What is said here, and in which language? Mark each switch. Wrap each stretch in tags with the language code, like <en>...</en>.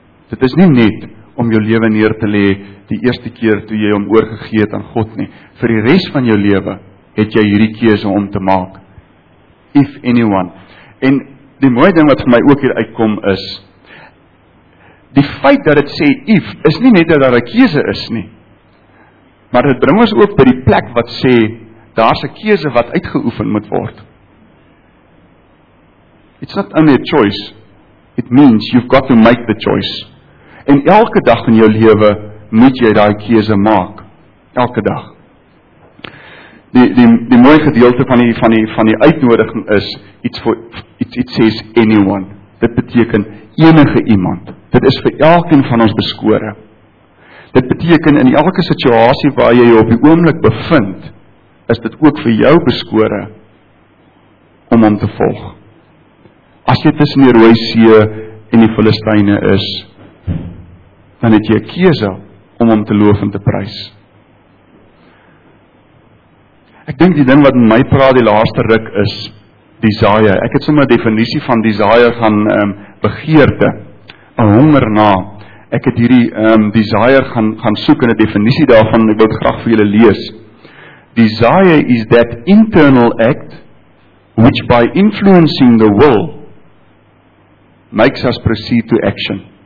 <af>dit is nie net, om jou lewe neer te lê, die eerste keer toe jy hom oorgegee het aan God nie, vir die res van jou lewe, het jy hierdie keuse om te maak,</af> <en>if anyone,</en> <af>en die mooie ding wat vir my ook hier uitkom is, die feit dat het sê if, is nie net dat daar 'n keuse is nie, maar dit bring ons ook by die plek wat sê, daar is 'n keuse wat uitgeoefen moet word.</af> <en>It's not only a choice, it means you've got to make the choice.</en> <af>En elke dag in jou lewe moet jy daai keuse maak. Elke dag. Die mooie gedeelte van die uitnodiging is,</af> <en>it says anyone.</en> <af>Dit beteken enige iemand. Dit is vir elkeen van ons beskore. Dit beteken in elke situasie waar jy op die oomblik bevind, is dit ook vir jou beskore om hom te volg. As jy tussen die Rooi See en die Filistyne is, dan het jy 'n keuse om hom te loof en te prys. Ek dink die ding wat in my praat die laaste ruk is, desire. Ek het sommer 'n definisie van desire gaan begeerte, 'n honger na. Ek het hierdie desire gaan soek in 'n definisie daarvan, ek wil dit graag vir julle lees.</af> <en>Desire is that internal act, which by influencing the will, makes us proceed to action.</en>